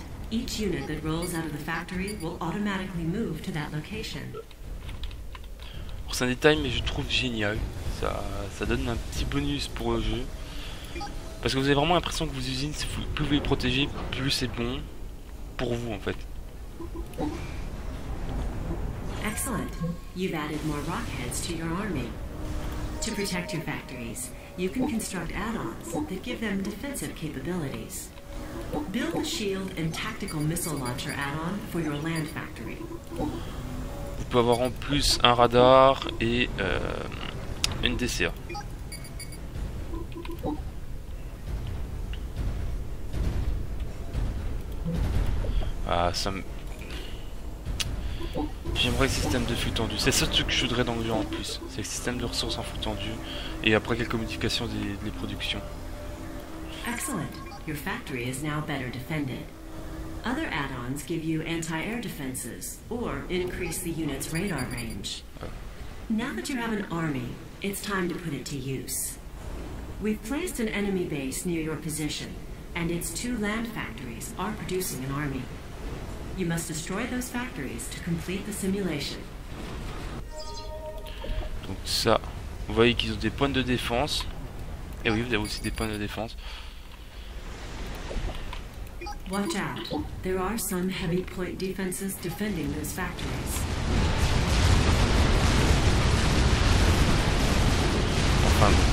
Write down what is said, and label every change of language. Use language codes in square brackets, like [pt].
[en] Each unit that rolls out of the factory will automatically move to that location. [fr] C'est un détail, mais je trouve génial. Ça donne un petit bonus pour le jeu. Parce que vous avez vraiment l'impression que vos usines, si vous pouvez les protéger, plus c'est bon pour vous en fait. [en] Excellent. You've added more rockheads to your army. To protect your factories, you can construct add-ons that give them defensive capabilities. Build a shield and tactical missile launcher add-on for your land factory. [fr] Vous pouvez avoir en plus un radar et une DCA. Ah, ça me... J'aimerais le système de flux tendu. C'est ça ce que je voudrais dans le jeu en plus. C'est le système de ressources en flux tendu. Et après quelques modifications des productions. [en] Excellent. Your factory is now better defended. Other add-ons give you anti-air defenses or increase the unit's radar range. Now that you have an army, it's time to put it to use. We've placed an enemy base near your position, and its two land factories are producing an army. You must destroy those factories to complete the simulation. [fr] Donc ça, vous voyez qu'ils ont des points de défense. Et oui, vous avez aussi des points de défense. [en] Watch out. There are some heavy point defenses defending those factories. [fr] Enfin.